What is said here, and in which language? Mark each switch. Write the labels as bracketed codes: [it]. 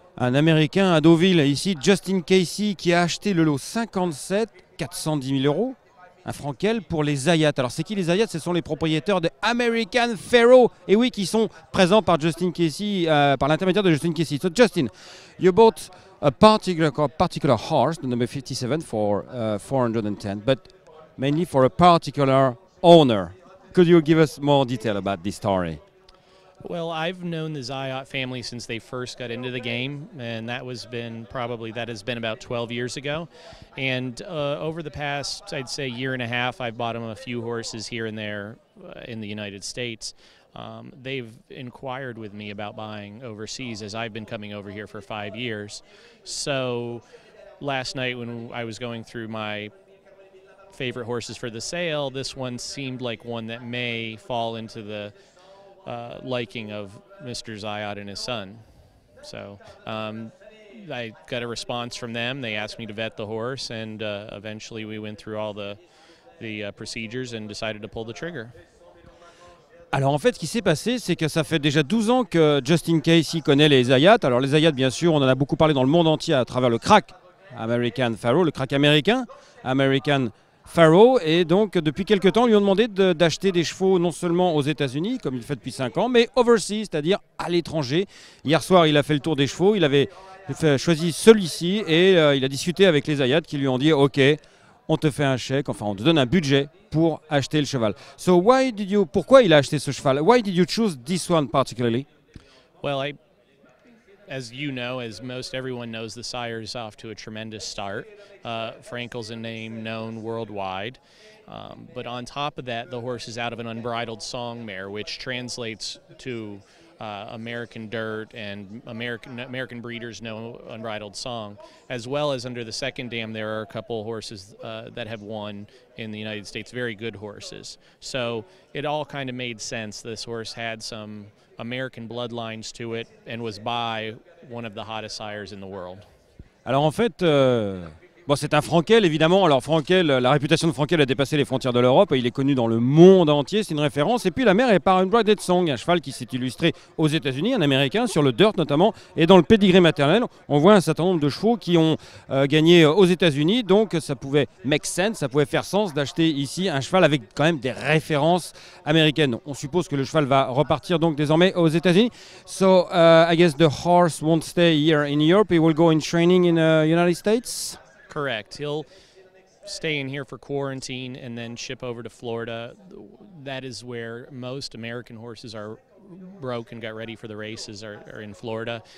[fr] Un Américain à Deauville, ici, Justin Casey, qui a acheté le lot 57, 410 000 euros. Un Frankel pour les Zayats. Alors, c'est qui les Zayats? Ce sont les propriétaires de American Pharoah. Et oui, qui sont présents par Justin Casey, par l'intermédiaire de Justin Casey. [en] So, Justin, you bought a particular horse, the number 57, for 410, but mainly for a particular owner. Could you give us more detail about this story? Well, I've known the Zayat family since they first got into the game, and that has been about 12 years ago. And over the past, I'd say, year and a half, I've bought them a few horses here and there in the United States. They've inquired with me about buying overseas as I've been coming over here for 5 years. So last night when I was going through my favorite horses for the sale, this one seemed like one that may fall into the liking of Mr. Zayat and his son. So I got a response from them. They asked me to vet the horse, and eventually we went through all the procedures and decided to pull the trigger. [fr] Alors en fait, ce qui s'est passé, c'est que ça fait déjà 12 ans que Justin Casey connaît les Zayats. Alors les Zayats, bien sûr, on en a beaucoup parlé dans le monde entier à travers le crack American Pharoah, le crack américain, American Pharoah. Et donc depuis quelques temps, on lui a demandé d'acheter des chevaux non seulement aux États-Unis, comme il fait depuis 5 ans, mais overseas, c'est-à-dire à l'étranger. Hier soir, il a fait le tour des chevaux, il avait choisi celui-ci et il a discuté avec les Zayats qui lui ont dit « Ok ». On te fait un chèque, enfin on te donne un budget pour acheter le cheval. [en] So why did you, [fr] pourquoi il a acheté ce cheval? [en] Why did you choose this one particularly? Well, as you know, as most everyone knows, the sire is off to a tremendous start. Frankel's a name known worldwide. But on top of that, the horse is out of an unbridled song mare, which translates to American dirt, and American breeders know Unbridled Song, as well as under the second dam there are a couple horses that have won in the United States, very good horses. So it all kind of made sense. This horse had some American bloodlines to it and was by one of the hottest sires in the world. [fr] Alors en fait, bon, c'est un Frankel, évidemment. Alors Frankel, la réputation de Frankel a dépassé les frontières de l'Europe. Il est connu dans le monde entier, c'est une référence. Et puis la mère est par Unbridled Song, un cheval qui s'est illustré aux États-Unis, un Américain, sur le dirt notamment. Et dans le pédigré maternel, on voit un certain nombre de chevaux qui ont gagné aux États-Unis. Donc ça pouvait [en] make sense, [fr] ça pouvait faire sens d'acheter ici un cheval avec quand même des références américaines. On suppose que le cheval va repartir donc désormais aux États-Unis. [en] So I guess the horse won't stay here in Europe. He will go in training in the United States. Correct. He'll stay in here for quarantine and then ship over to Florida. That is where most American horses are broke and got ready for the races are in Florida.